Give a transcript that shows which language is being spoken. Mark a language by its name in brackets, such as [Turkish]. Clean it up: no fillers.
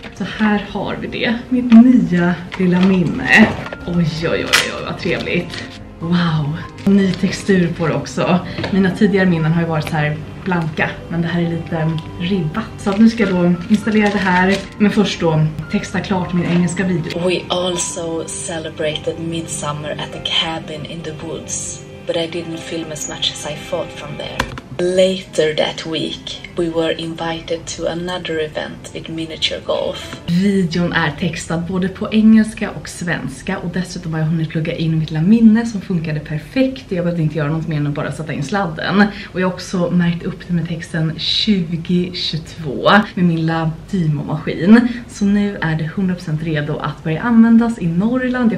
[Swedish] Så här har vi det, mitt nya lilla minne. Oj, oj, oj, oj, vad trevligt. Wow, ny textur på det också. Mina tidigare minnen har ju varit så här blanka, men det här är lite ribbat. Så att nu ska jag då installera det här, men först då texta klart min engelska video. [English] We also celebrated midsummer at a cabin in the woods, but I didn't film as much as I thought from there. Later that week, we were invited to another event with miniature golf. [Swedish] Videon är textad både på engelska och svenska, och dessutom har jag hunnit plugga in mitt lilla minne som funkade perfekt. Jag behövde inte göra något mer än att bara sätta in sladden. Och jag har också märkt upp det med texten 2022 med min lilla Dymo-maskin. Så nu är det 100% redo att börja användas i Norrland.